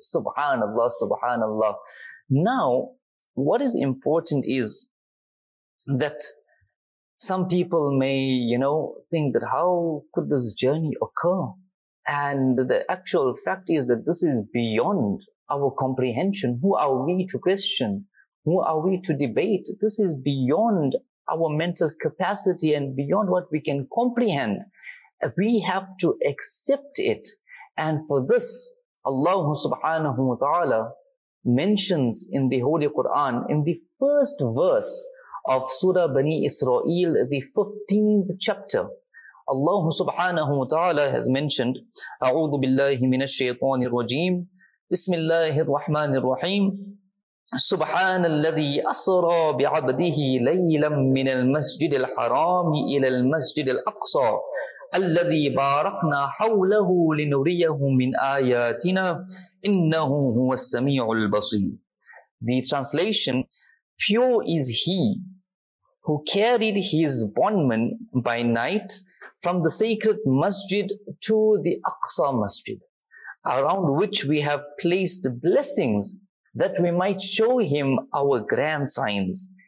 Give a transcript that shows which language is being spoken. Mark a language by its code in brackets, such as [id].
[en] Subhanallah, subhanallah. Now, what is important is that some people may, you know, think that how could this journey occur? And the actual fact is that this is beyond our comprehension. Who are we to question? Who are we to debate? This is beyond our mental capacity and beyond what we can comprehend. we have to accept it. And for this, Allah subhanahu wa ta'ala mentions in the Holy Quran, in the first verse of Surah Bani Israel, the 15th chapter, Allah subhanahu wa ta'ala has mentioned, [ar] أعوذ بالله من الشيطان الرجيم بسم الله الرحمن الرحيم سبحان الذي أسرى بعبده ليلا من المسجد الحرام إلى المسجد الأقصى الذي باركنا حوله لنريه من آياتنا إنه هو السميع البصير. [en] The translation, pure is he who carried his bondman by night from the sacred masjid to the Aqsa masjid, around which we have placed blessings that we might show him our grand signs.